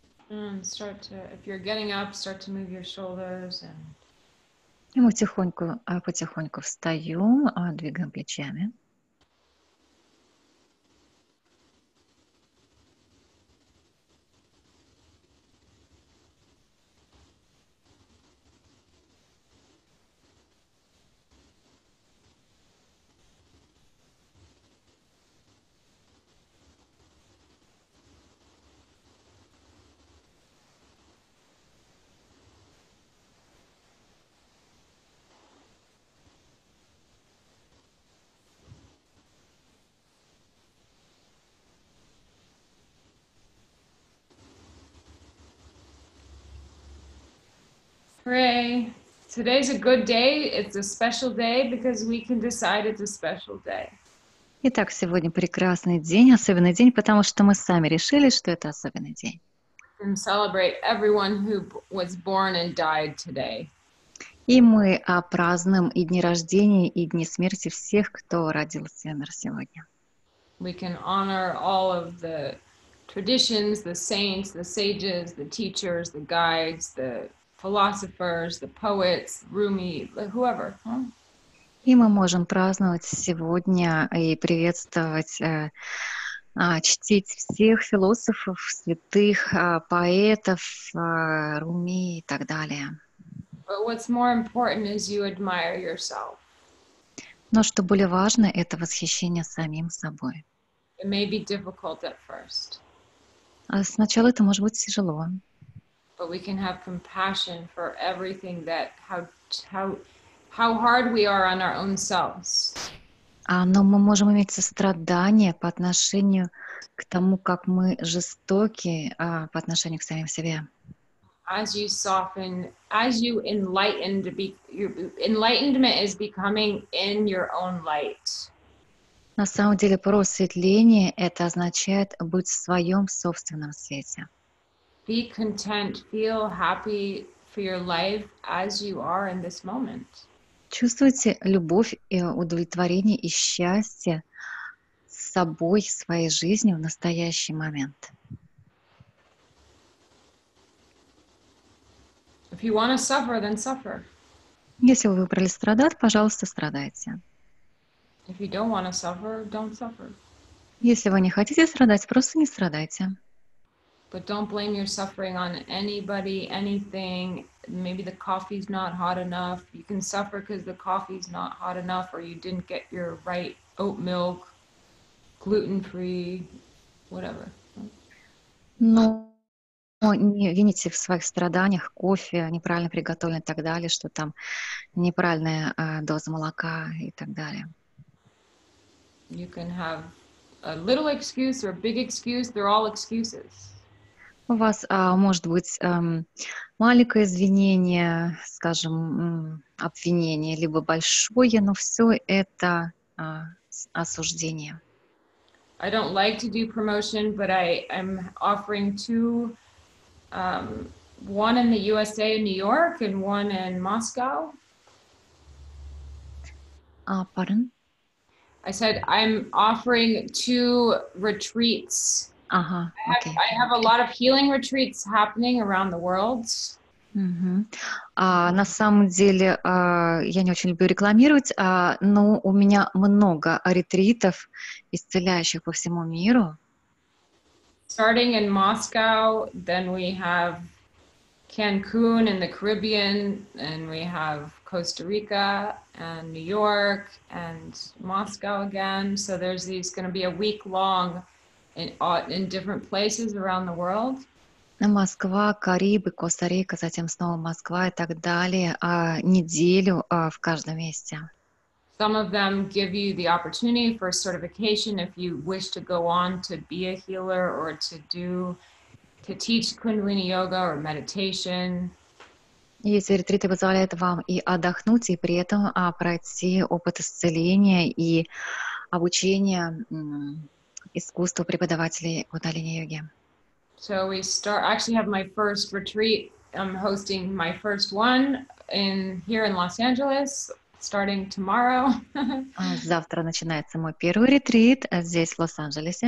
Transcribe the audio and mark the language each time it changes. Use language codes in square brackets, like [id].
[en] And start to, if you're getting up, start to move your shoulders and... [ru] И мы тихоньку, потихоньку встаем, двигаем плечами. [en] Hooray! Today's a good day. It's a special day because we can decide it's a special day. [ru] Итак, сегодня прекрасный день, особенный день, потому что мы сами решили, что это особенный день. [en] And celebrate everyone who was born and died today. [ru] И мы празднуем и дни рождения, и дни смерти всех, кто родился и умер сегодня. [en] We can honor all of the traditions, the saints, the sages, the teachers, the guides, the philosophers, the poets, Rumi, whoever. [ru] И мы можем праздновать сегодня и приветствовать, чтить всех философов, святых, поэтов, Руми и так далее. [en] But what's more important is you admire yourself. [ru] Но что более важно, это восхищение самим собой. [en] It may be difficult at first. [ru] Сначала это может быть тяжело. [en] But we can have compassion for everything that how hard we are on our own selves. [ru] Но мы можем иметь сострадание по отношению к тому, как мы жестоки по отношению к самим себе. [en] As you soften, as you enlighten, enlightenment is becoming in your own light. [ru] На самом деле, просветление — это означает быть в своем собственном свете. [en] Be content, feel happy for your life as you are in this moment. [ru] Чувствуйте любовь и удовлетворение и счастье с собой, своей жизнью в настоящий момент. [en] If you want to suffer, then suffer. [ru] Если вы выбрали страдать, пожалуйста, страдайте. [en] If you don't want to suffer, don't suffer. [ru] Если вы не хотите страдать, просто не страдайте. [en] But don't blame your suffering on anybody, anything. Maybe the coffee's not hot enough. You can suffer because the coffee's not hot enough, or you didn't get your right oat milk, gluten-free, whatever. [ru] Ну, не вините в своих страданиях кофе неправильно приготовленный и так далее, что там неправильная доза молока и так далее. [en] You can have a little excuse or a big excuse. They're all excuses. [ru] У вас может быть маленькое извинение, скажем, обвинение, либо большое, но все это осуждение. [en] I don't like to do promotion, but I'm offering two, one in the USA, in New York, and one in Moscow. Pardon? I said I'm offering two retreats. Uh-huh. Okay. I have a lot of healing retreats happening around the world. Mm-hmm. [ru] На самом деле, я не очень люблю рекламировать, но у меня много ретритов, исцеляющих по всему миру. [en] Starting in Moscow, then we have Cancun in the Caribbean, and we have Costa Rica and New York and Moscow again. So there's these going to be a week long in different places around the world. [ru] Москва, Карибы, Коста-Рика, затем снова Москва и так далее, неделю в каждом месте. [en] Some of them give you the opportunity for certification if you wish to go on to be a healer or to teach Kundalini yoga or meditation. [ru] Если ретриты позволяют вам и отдохнуть, и при этом пройти опыт исцеления и обучение искусство преподавателей удаления йоги. [en] So we start. Actually, have my first retreat. I'm hosting my first one here in Los Angeles, starting tomorrow. [ru] Завтра начинается мой первый ретрит здесь, в Лос-Анджелесе.